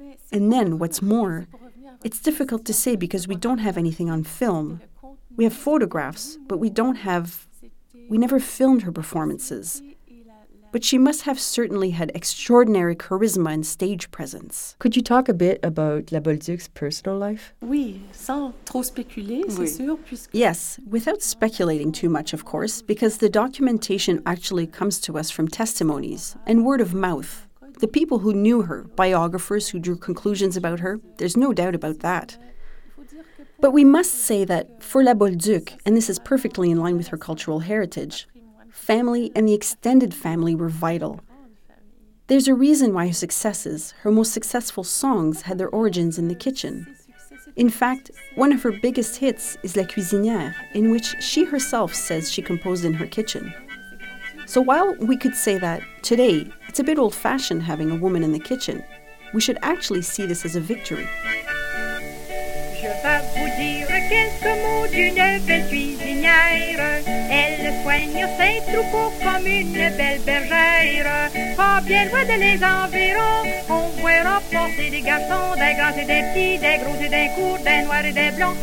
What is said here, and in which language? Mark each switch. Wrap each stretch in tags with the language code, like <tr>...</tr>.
<en>And then, what's more, it's difficult to say because we don't have anything on film. We have photographs, but we never filmed her performances. But she must have certainly had extraordinary charisma and stage presence. Could you talk a bit about La Bolduc's personal life?</en> <fr>Oui, sans trop spéculer, c'est sûr, puisque...</fr> <en>Yes, without speculating too much, of course, because the documentation actually comes to us from testimonies and word of mouth. The people who knew her, biographers who drew conclusions about her, there's no doubt about that. But we must say that for La Bolduc, and this is perfectly in line with her cultural heritage, family and the extended family were vital. There's a reason why her successes, her most successful songs, had their origins in the kitchen. In fact, one of her biggest hits is La Cuisinière, in which she herself says she composed in her kitchen. So while we could say that today it's a bit old-fashioned having a woman in the kitchen, we should actually see this as a victory.</en> <fr>Je vais vous dire quelques mots d'une belle cuisinière. Elle soigne ses troupeaux comme une belle bergère. Pas bien loin de les environs, on voit remporter des garçons, des grands et des petits, des gros et des courts, des noirs et des blancs.</fr>